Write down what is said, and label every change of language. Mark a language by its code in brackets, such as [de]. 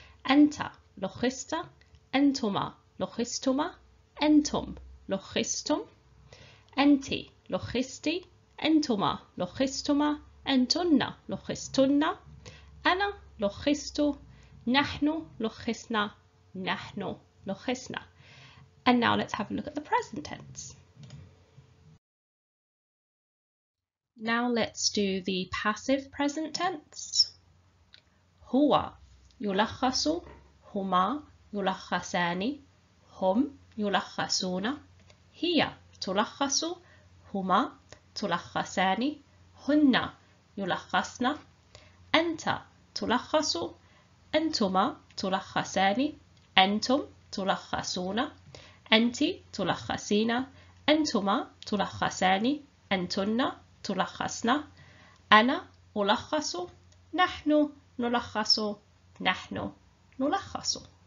[ar] أنت لخصت، أنتما لخصتما، أنتم لخصتم، أنت لخصتي، أنتما لخصتما، أنتن لخصتن، أنا لخصت، نحن لخصنا، نحن لخصنا. [en] And now let's have a look at the present tense. Now let's do the passive present tense. [ar] هو يلخص، هما يلخصان، هم يلخصون، هي تلخص، هما تلخصان، هن يلخصن، أنت تلخص، أنتما تلخصان، أنتم تلخصون، أنت تلخصين، أنتما تلخصان، أنتن تلخصنا، أنا ألخص، نحن نلخص، نحن نلخص.